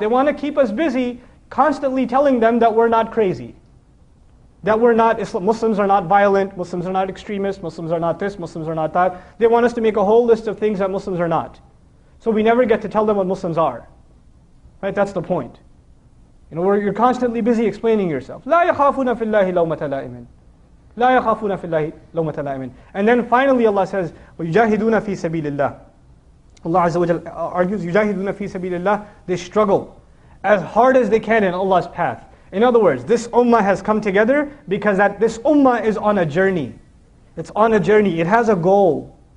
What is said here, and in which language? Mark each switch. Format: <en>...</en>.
<en>They want to keep us busy constantly telling them that we're not crazy. That we're not, Islam, Muslims are not violent, Muslims are not extremists, Muslims are not this, Muslims are not that. They want us to make a whole list of things that Muslims are not. So we never get to tell them what Muslims are. Right, that's the point. You know, you're constantly busy explaining yourself.</en> <ar>لا يخافون في الله لومة لائمين. لا يخافون في الله لومة لائمين.</ar> <en>And then finally Allah says,</en> <ar>ويجاهدون في سبيل الله.</ar> <en>Allah Azza wa Jal argues,</en> <ar>يجاهدون في سبيل الله.</ar> <en>They struggle as hard as they can in Allah's path. In other words, this ummah has come together because that this ummah is on a journey. It's on a journey. It has a goal.</en>